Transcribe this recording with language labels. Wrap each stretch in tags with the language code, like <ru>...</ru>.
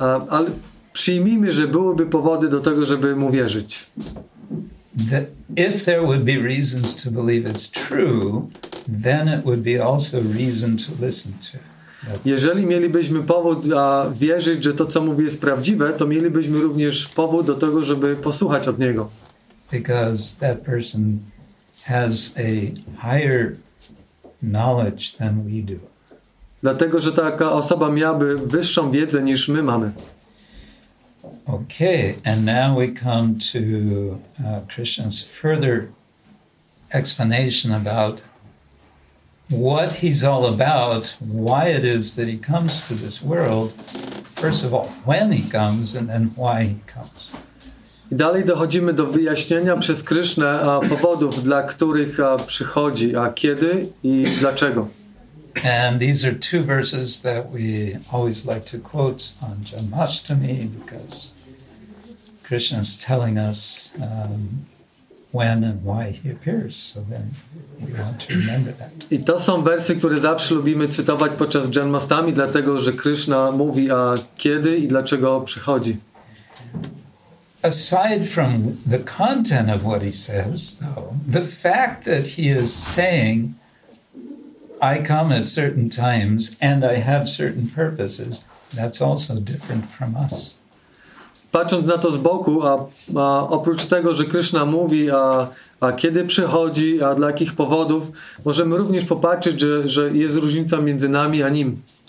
<pl>Ale przyjmijmy, że byłyby powody do tego, żeby mu wierzyć.</pl> <en>If there would be reasons to believe it's true, then it would be also reason to listen to.</en> <pl>Jeżeli mielibyśmy powód wierzyć, że to, co mówi, jest prawdziwe, to mielibyśmy również powód do tego, żeby posłuchać od niego.</pl> <en>Because that person has a higher knowledge than we do.</en> <pl>Dlatego, że taka osoba miałaby wyższą wiedzę niż my mamy.</pl> <en>Okay, and now we come to Krishna's further explanation about what he's all about, why it is that he comes to this world, first of all, when he comes, and then why he comes.</en> <pl>I dalej dochodzimy do wyjaśnienia przez Krishnę powodów, dla których przychodzi, a kiedy i dlaczego.</pl> <en>And these are two verses that we always like to quote on Janmashtami, because Krishna's telling us when and why he appears, so then we want to remember that.</en> <pl>I to są wersy, które zawsze lubimy cytować podczas Janmashtami, dlatego że Krishna mówi, a kiedy i dlaczego przychodzi.</pl> <en>Aside from the content of what he says, though, the fact that he is saying, I come at certain times and I have certain purposes, that's also different from us.</en> <pl>Patrząc na to z boku, a oprócz tego, że Krishna mówi, a kiedy przychodzi, a dla jakich powodów, możemy również popatrzeć, że jest różnica między nami a nim.</pl>